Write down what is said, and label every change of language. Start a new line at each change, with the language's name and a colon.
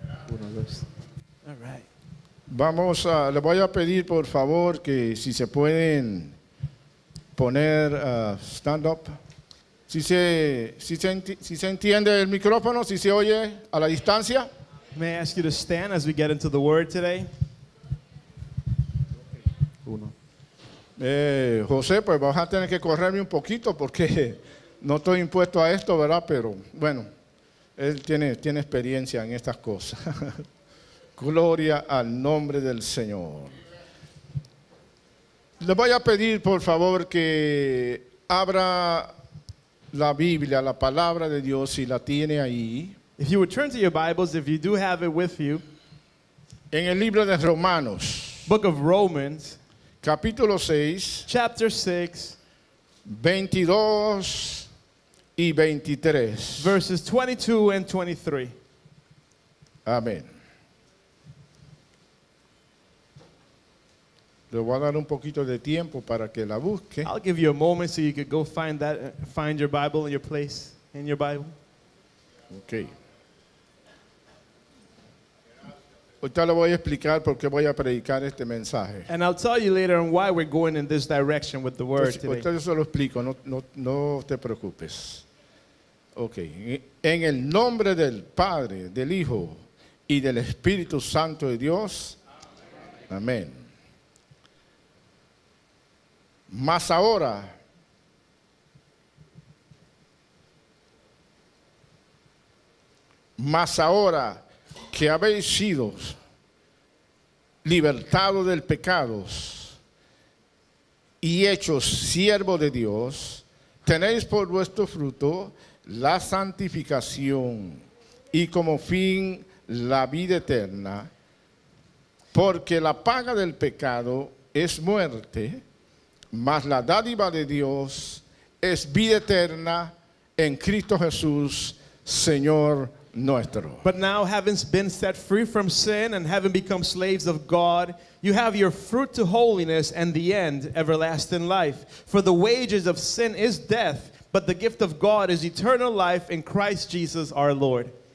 Spanish: Uno, dos.
English: All right.
Spanish: Vamos a. Le voy a pedir por favor que si se pueden poner
English: stand up.
Spanish: Si se entiende el micrófono, si se oye a la distancia.
English: May I ask you to stand as we get into the word today?
Spanish: Uno. José, pues vas a tener que correrme un poquito porque no estoy impuesto a esto, ¿verdad? Pero bueno, él tiene experiencia en estas cosas. Gloria al nombre del Señor. Le voy a pedir, por favor, que abra la Biblia, la palabra de Dios, si la tiene ahí.
English: If you would turn to your Bibles, if you do have it with you.
Spanish: En el libro de Romanos.
English: Book of Romans.
Spanish: Capítulo 6.
English: Chapter 6.
Spanish: 22 y 23.
English: Verses 22 and 23.
Spanish: Amén. Le voy a dar un poquito de tiempo para que la busque.
English: I'll give you a moment so you could go find your Bible in your place in your Bible. Okay.
Spanish: Ahorita le voy a explicar por qué voy a predicar este mensaje.
English: And I'll tell you later on why we're going in this direction with the word today.
Spanish: Ahorita yo se lo explico, no te preocupes. Okay. En el nombre del Padre, del Hijo y del Espíritu Santo de Dios. Amén. Mas ahora. Mas ahora. Que habéis sido libertados del pecado y hechos siervos de Dios, tenéis por vuestro fruto la santificación y como fin la vida eterna, porque la paga del pecado es muerte, mas la dádiva de Dios es vida eterna en Cristo Jesús, Señor nuestro.
English: But now, having been set free from sin and having become slaves of God, you have your fruit to holiness and the end, everlasting life. For the wages of sin is death, but the gift of God is eternal life in Christ Jesus our Lord.